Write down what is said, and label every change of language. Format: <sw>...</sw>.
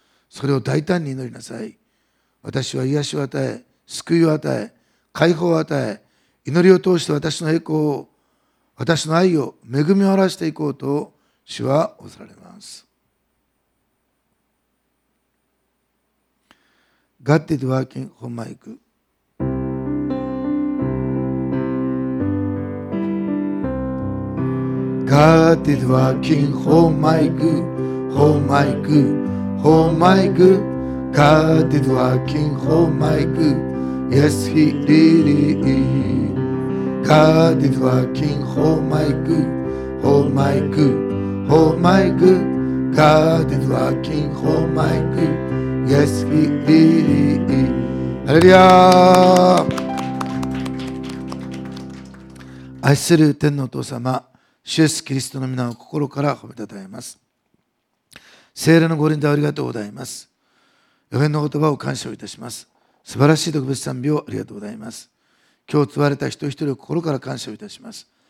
<ja>それを大胆に祈りなさい。私は癒しを与え、救いを与え、解放を与え、祈りを通して私の栄光を、私の愛を、恵みを表していこうと主は仰せられます。</ja> <en>God is working on my good。 God is working for my good, for my good, for my good. God is working for my good, yes he really is. God is working for my good, for my good, for my good. God is working for my good, yes he really is. Hallelujah!</en> <ja>愛する天のお父様、主イエスキリストの皆を心から褒めたたえます。聖霊の御臨在ありがとうございます。予言の言葉を感謝いたします。素晴らしい特別賛美をありがとうございます。今日集われた一人一人を心から感謝いたします。</ja>